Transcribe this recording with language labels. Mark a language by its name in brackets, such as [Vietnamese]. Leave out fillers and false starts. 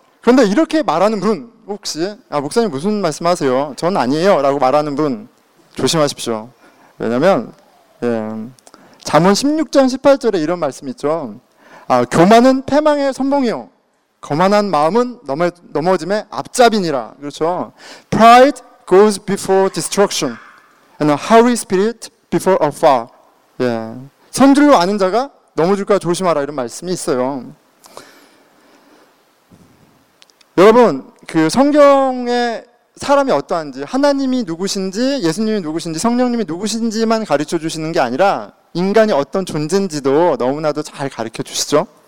[Korean] 근데 이렇게 말하는 분, 혹시, 목사님 무슨 말씀하세요? 전 아니에요. 라고 말하는 분, 조심하십시오. 왜냐면, 예, 잠언 16장 18절에 이런 말씀 있죠. 교만은 패망의 선봉이요. 거만한 마음은 넘어짐의 앞잡이니라. 그렇죠? [English] Pride goes before destruction. And a hurry spirit before a fall. 예. [Korean] 선 줄로 아는 자가 넘어질까 조심하라. 이런 말씀이 있어요. 여러분, 그 성경에 사람이 어떠한지, 하나님이 누구신지, 예수님이 누구신지, 성령님이 누구신지만 가르쳐 주시는 게 아니라, 인간이 어떤 존재인지도 너무나도 잘 가르쳐 주시죠.